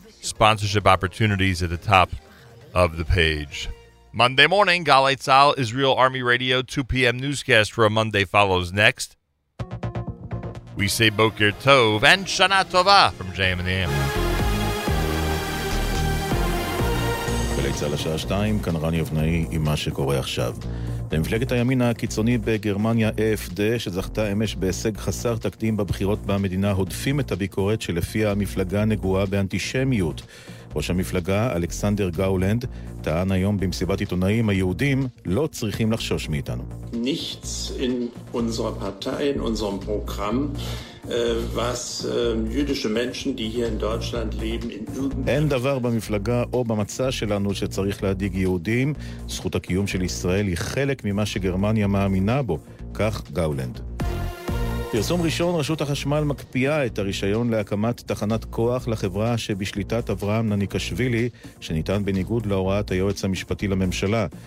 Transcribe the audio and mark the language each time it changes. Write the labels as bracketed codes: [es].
[en] Sponsorship opportunities at the top of the page. Monday morning, Galei Tzal, Israel Army Radio, 2 p.m. newscast for a Monday follows next. We say Boker Tov and Shana Tova from JM and the AM. [he] על השעה 2, כאן רני אבנאי עם מה שקורה עכשיו. במפלגת הימין הקיצוני בגרמניה AFD, שזכתה אמש בהישג חסר תקדים בבחירות במדינה, הודפים את הביקורת שלפיה המפלגה נגועה באנטישמיות. ראש המפלגה אלכסנדר גאולנד טען היום במסיבת עיתונאים, היהודים לא צריכים לחשוש מאיתנו. [de] Nichts in unserer Partei, in unserem Programm, was jüdische Menschen, die hier in Deutschland leben, in irgendeinem... [he] אין דבר במפלגה או במצע שלנו שצריך להדיג יהודים. זכות הקיום של ישראל היא חלק ממה שגרמניה מאמינה בו, כך גאולנד. פרסום ראשון, רשות החשמל מקפיאה את הרישיון להקמת תחנת כוח לחברה שבשליטת אברהם נניקשווילי, שניתן בניגוד להוראת היועץ המשפטי לממשלה.